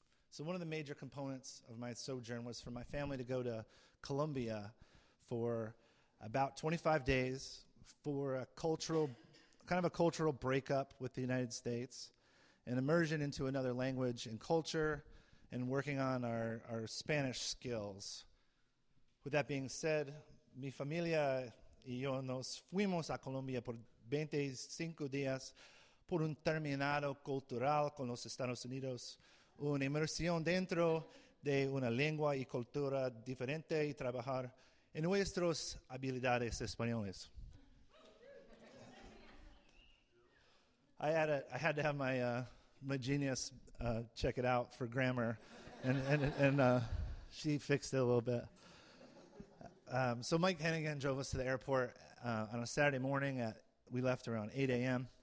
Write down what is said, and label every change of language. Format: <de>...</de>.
<en>So one of the major components of my sojourn was for my family to go to Colombia for about 25 days for a cultural breakup with the United States, an immersion into another language and culture, and working on our Spanish skills. With that being said,</en> <es>mi familia y yo nos fuimos a Colombia por 25 días por un terminado cultural con los Estados Unidos, una inmersión dentro de una lengua y cultura diferente y trabajar en nuestras habilidades españoles.</es> <en>I had to have my genius check it out for grammar, and she fixed it a little bit. So Mike Hennigan drove us to the airport on a Saturday morning. We left around 8 a.m.</en>